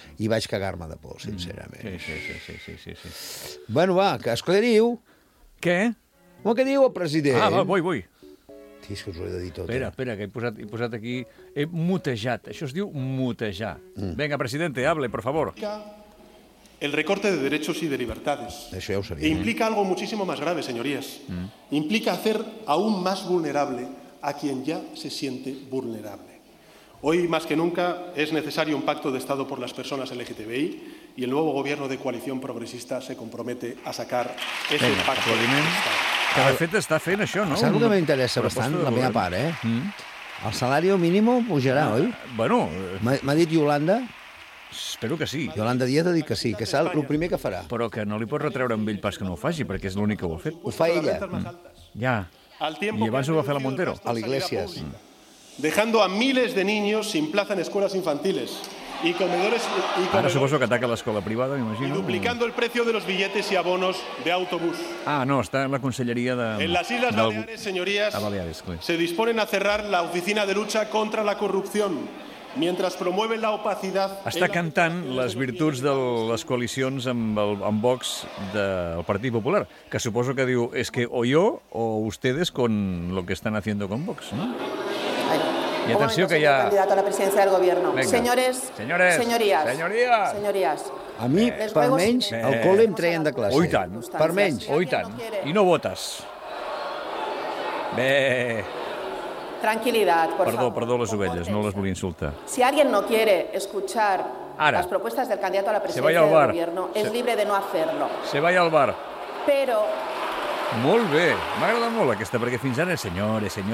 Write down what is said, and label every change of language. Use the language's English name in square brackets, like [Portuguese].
[Catalan] I vaig cagar-me de por, sincerament. Sí. Bueno, va, que escolliriu. Què? Home, què diu el president? Ah, va, vull. Tis, que us ho he de dir tot. Espera, que he posat aquí... He mutejat, això es diu mutejar. [Spanish] Venga, presidente, hable, por favor. El recorte de derechos y de libertades. Eso ya lo sabía. E implica algo muchísimo más grave, señorías. Implica hacer aún más vulnerable a quien ya se siente vulnerable. Hoy, más que nunca, es necesario un pacto de Estado por las personas LGTBI y el nuevo gobierno de coalición progresista se compromete a sacar ese pacto de Estado. [Catalan] Que, de fet, està fent això, no? Saps el que m'interessa bastant, la meva part, eh? El salari mínim pujarà, oi? Bueno... M'ha dit Yolanda... Espero que sí. Yolanda Díaz ha dit que sí, que serà el primer que farà. Però que no li pots retreure amb ell pas que no ho faci, perquè és l'únic que ho ha fet. Ho fa ella. Ja. I abans ho va fer la Montero. A l'Iglesias. [Spanish] Dejando a miles de niños sin plaza en escuelas infantiles. Y comedores... [Catalan] Ara suposo que ataca l'escola privada, m'imagino. [Spanish] Y duplicando el precio de los billetes y abonos de autobús. [Catalan] Ah, no, està en la conselleria de... [Spanish] En las Islas Baleares, señorías, se disponen a cerrar la oficina de lucha contra la corrupción. Mientras promueve la opacidad... [Catalan] Està cantant les virtuts de les coalicions amb Vox del Partit Popular, que suposo que diu, és que o jo o [Spanish] ustedes con lo que están haciendo con Vox, [Catalan] no? I atenció que hi ha... Un candidat a la presidència del gobierno. [Spanish] Venga. Señores. Señorías. [Catalan] A mi, per menys, al col·le em treien de classe. Oi tant. Per menys. Oi tant. I no votes. Bé... [Spanish] Tranquilidad, por [Catalan] perdó, [Spanish] favor. [Catalan] Perdó, les ovelles, no les volia insultar. [Spanish] Si alguien no quiere escuchar [Catalan] ara, [Spanish] las propuestas del candidato a la presidencia del gobierno, es libre de no hacerlo. Se vaya al bar. Pero... [Catalan] Molt bé, m'agrada molt aquesta, perquè fins ara, señores...